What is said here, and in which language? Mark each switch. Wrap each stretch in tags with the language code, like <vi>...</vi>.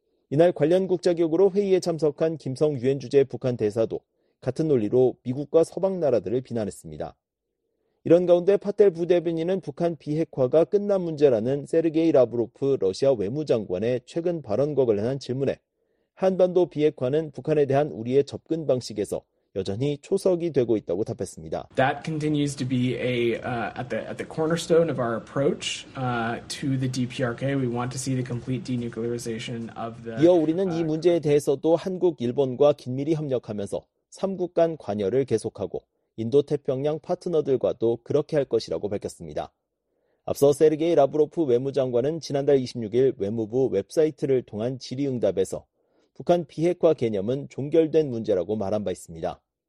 <ko>이날 관련 국자격으로 회의에 참석한 김성 유엔 주재 북한 대사도 같은 논리로 미국과 서방 나라들을 비난했습니다. 이런 가운데 파텔 부대변인은 북한 비핵화가 끝난 문제라는 세르게이 라브로프 러시아 외무장관의 최근 발언과 관련한 질문에 한반도 비핵화는 북한에 대한 우리의 접근 방식에서 여전히 초석이 되고 있다고 답했습니다.</ko> <en>That continues to be a at the cornerstone of our approach to the DPRK. We want to see the complete denuclearization of the.</en> <ko>이어 우리는 이 문제에 대해서도 한국, 일본과 긴밀히 협력하면서 3국 간 관여를 계속하고 인도태평양 파트너들과도 그렇게 할 것이라고 밝혔습니다. 앞서 세르게이 라브로프 외무장관은 지난달 26일 외무부 웹사이트를 통한 질의응답에서 북한 비핵화 개념은 종결된 문제라고 말한 바 있습니다.</ko>